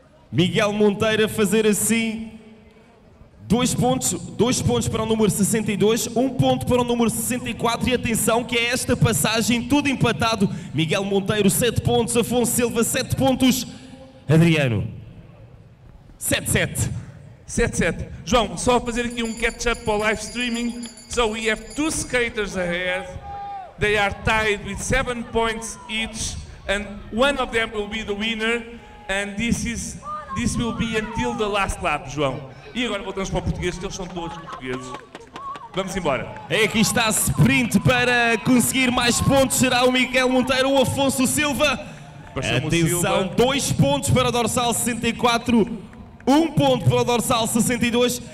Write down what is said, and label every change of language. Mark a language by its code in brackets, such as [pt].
[pt] Miguel Monteiro a fazer assim, 2 pontos para o número 62, 1 ponto para o número 64 e atenção que é esta passagem, tudo empatado. Miguel Monteiro 7 pontos, Afonso Silva 7 pontos, Adriano 7-7. João, só a fazer aqui um catch up para o live streaming. [en] So we have 2 skaters ahead, they are tied with 7 points each and one of them will be the winner and this will be until the last lap, João. [pt] E agora voltamos para o português, que eles são todos portugueses. Vamos embora. Aqui está a sprint para conseguir mais pontos. Será o Miguel Monteiro ou o Afonso Silva? Passamos. Atenção, Silva. 2 pontos para o dorsal 64. 1 ponto para o dorsal 62.